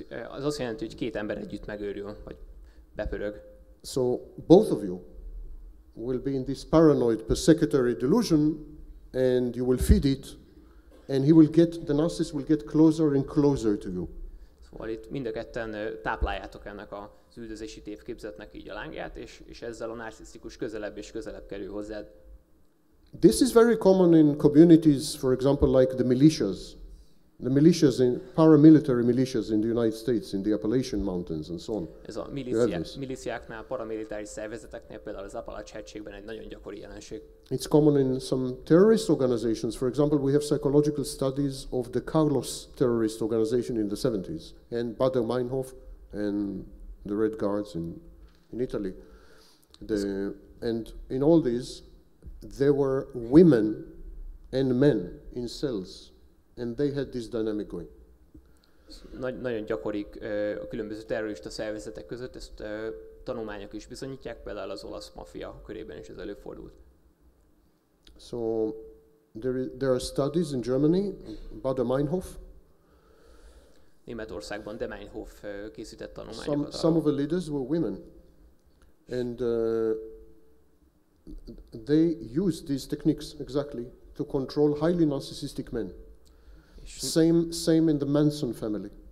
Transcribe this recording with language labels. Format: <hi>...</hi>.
<hu>Az azt jelenti, hogy két ember együtt megőrül, vagy bepörög.</hu> <en>So both of you will be in this paranoid persecutory delusion, and you will feed it, and the narcissist will get closer and closer to you.</en> <hu>Szóval itt mind a ketten tápláljátok ennek az üldözési tévképzetnek így a lángját, és ezzel a narcisztikus közelebb és közelebb kerül hozzád.</hu> <en>This is very common in communities, for example, like the militias. The militias, in paramilitary militias in the United States, in the Appalachian Mountains and so on.</en> <hu>Ez a miliciáknál, paramilitári szervezeteknél, például az Appalach-hegységben egy nagyon gyakori jelenség.</hu> <en>It's common in some terrorist organizations. For example, we have psychological studies of the Carlos terrorist organization in the 70s, and Baader-Meinhof and the Red Guards in Italy. And in all these, there were women and men in cells, and they had this dynamic going.</en> <hu>Nagyon gyakorik a különböző terrorista szervezetek között, ezt tanulmányok is bizonyítják, például az olasz maffia körében is ez előfordult.</hu> <en>So there are studies in Germany, Bader-Meinhof.</en> <hu>Németországban de Meinhof készített tanulmányokat.</hu> <en>Some of the leaders were women, and they used these techniques exactly to control highly narcissistic men. Same in the Manson family.</en>